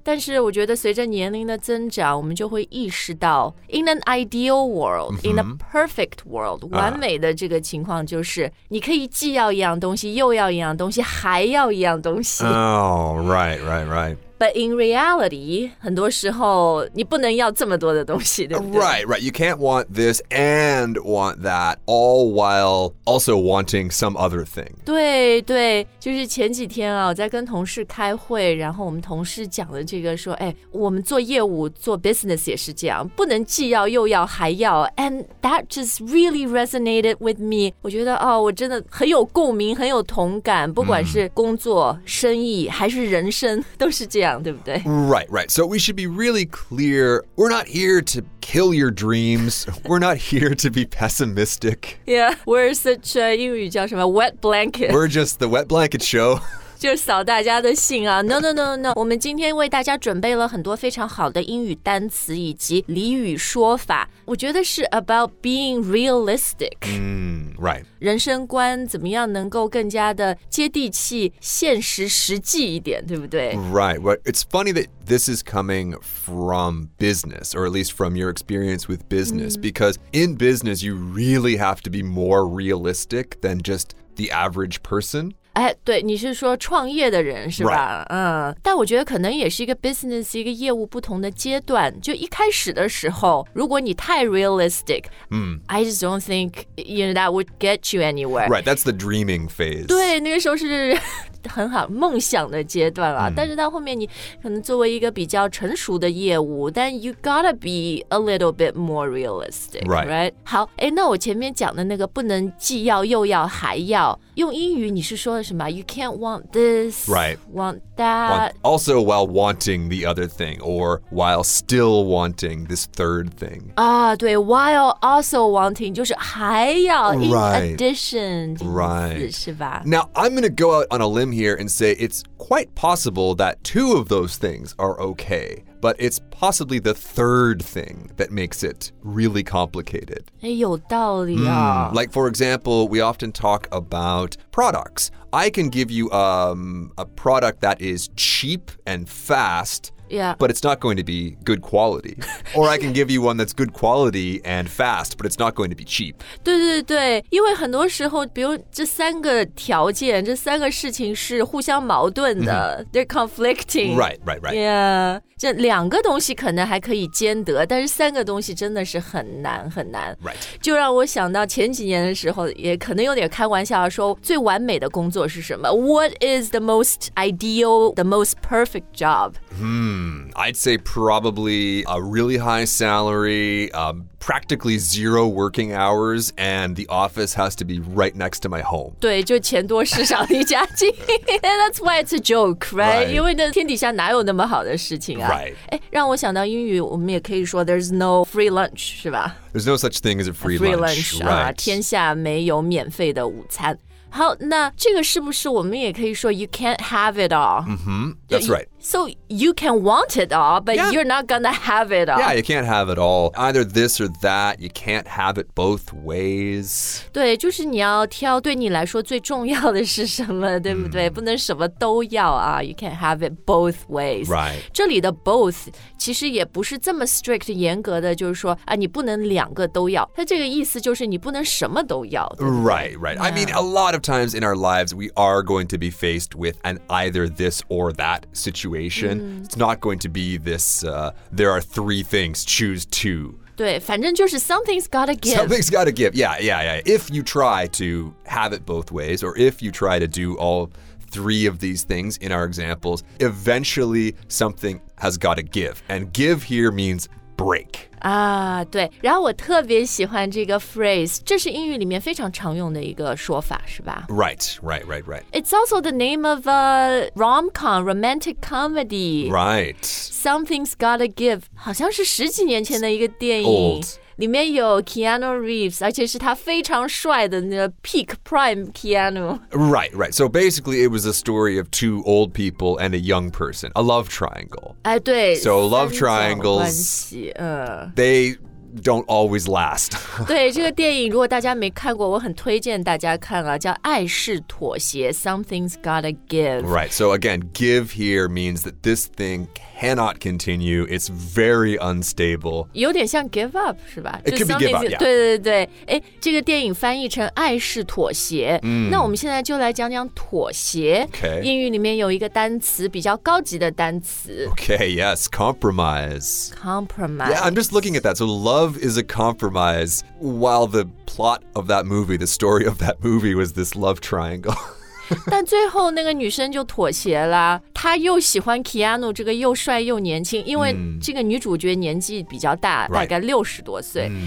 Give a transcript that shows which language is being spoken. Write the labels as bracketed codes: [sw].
[zh] 但是我觉得随着年龄的增长，我们就会意识到 [en] in an ideal world,、 [zh] mm-hmm. [en] in a perfect world,、 [zh] 完美的这个情况就是你可以既要一样东西又要一样东西还要一样东西。 [en] Oh, right. But in reality, [zh] 很多时候你不能要这么多的东西，对不对？ [en] Right. You can't want this and want that all while also wanting some other thing. [zh] 对对，就是前几天啊，我在跟同事开会，然后我们同事讲的这个说，哎，我们做业务做 business 也是这样，不能既要又要还要。 [en] And that just really resonated with me. [zh] 我觉得哦，我真的很有共鸣，很有同感，不管是工作、生意还是人生，都是这样。 [en] Right. So we should be really clear. We're not here to kill your dreams. We're not here to be pessimistic. Yeah, we're such a [zh] 英语叫什么 [en] wet blanket. We're just the wet blanket show. [zh] 就扫大家的兴啊。 [en] No. [zh] 我们今天为大家准备了很多非常好的英语单词以及俚语说法。我觉得是 [en] about being realistic. Right. [zh] 人生观怎么样能够更加的接地气、现实、实际一点，对不对？ [en] Right. But it's funny that this is coming from business, or at least from your experience with business,、because in business, you really have to be more realistic than just the average person. [zh] 哎，对，你是说创业的人是吧？ [en] Right. [zh] 但我觉得可能也是一个 business 一个业务不同的阶段。就一开始的时候，如果你太 [en] realistic, I just don't think you know that would get you anywhere. Right, that's the dreaming phase. [zh] 对，那个时候是很好梦想的阶段了。但是到后面，你可能作为一个比较成熟的业务，但 [en] you gotta be a little bit more realistic, right? [zh] 好，哎，那我前面讲的那个不能既要又要还要。用英语你是说的什么 [en] You can't want this, right, want that. Also while wanting the other thing, or while still wanting this third thing. [zh] 对 [en] while also wanting, [zh] 就是还要 [en] in addition. Right. [zh] 是吧 [en] Now I'm going to go out on a limb here and say it's quite possible that two of those things are okay. But it's possibly the third thing that makes it really complicated. [zh] 哎，有道理啊。 [en] Like, for example, we often talk about products. I can give you a product that is cheap and fast, Yeah. But it's not going to be good quality. Or I can give you one that's good quality and fast, but it's not going to be cheap. [zh] 对对对，因为很多时候，比如这三个条件，这三个事情是互相矛盾的。 [en] Mm-hmm. They're conflicting. Right. Yeah. [zh] 这两个东西可能还可以兼得，但是三个东西真的是很难。 [en] Right. [zh] 就让我想到前几年的时候，也可能有点开玩笑说，最完美的工作是什么？ [en] What is the most ideal, the most perfect job? I'd say probably a really high salary, practically zero working hours, and the office has to be right next to my home. [zh] 对，就钱多事少离家近。 [en] And that's why it's a joke, right? [zh] 因为那天底下哪有那么好的事情啊。 [en] Right. [zh] 让我想到英语，我们也可以说 [en] there's no free lunch, [zh] 是吧？ [en] There's no such thing as a free lunch. [zh] Right. 天下没有免费的午餐。好，那这个是不是我们也可以说 [en] you can't have it all? That's right. So you can want it all, but you're not gonna have it all. Yeah, you can't have it all. Either this or that, you can't have it both ways. [zh] 对，就是你要挑对你来说最重要的是什么，对不对？不能什么都要啊。 [en] You can't have it both ways. Right. [zh] 这里的 both 其实也不是这么 strict 严格的，就是说啊，你不能两个都要。它这个意思就是你不能什么都要。对不对 [en] Right. Yeah. I mean, a lot of times in our lives, we are going to be faced with an either this or that situation. It's not going to be this, there are three things, choose two. [zh] 对，反正就是 [en] something's gotta give. Something's gotta give, yeah. If you try to have it both ways, or if you try to do all three of these things in our examples, eventually something has gotta give. And give here means break. [zh] 对，然后我特别喜欢这个 phrase， 这是英语里面非常常用的一个说法，是吧？ [en] Right. It's also the name of a rom-com, romantic comedy. Right. Something's gotta give， [zh] 好像是十几年前的一个电影。 [en] Old. [zh] 里面有 Keanu Reeves, 而且是他非常帅的那个 peak prime Keanu. [en] Right, right. So basically it was a story of two old people and a young person. A love triangle. [zh] 哎对。 [en] So love triangles, they... don't always last. [zh] 对这个电影如果大家没看过我很推荐大家看啊叫爱是妥协 [en] Something's gotta give. Right, so again, give here means that this thing cannot continue. It's very unstable. [zh] 有点像 [en] give up, [zh] 是吧 [en] It could be give up, yeah. [zh] 对对对诶这个电影翻译成爱是妥协、mm. 那我们现在就来讲讲妥协 [en] Okay. [zh] 英语里面有一个单词比较高级的单词 [en] Okay, yes, compromise. Compromise. Yeah, I'm just looking at that, so love is a compromise, while the plot of that movie, the story of that movie was this love triangle. [zh] 但最后那个女生就妥协了，她又喜欢 Keanu 这个又帅又年轻，因为这个女主角年纪比较大，大概60多岁。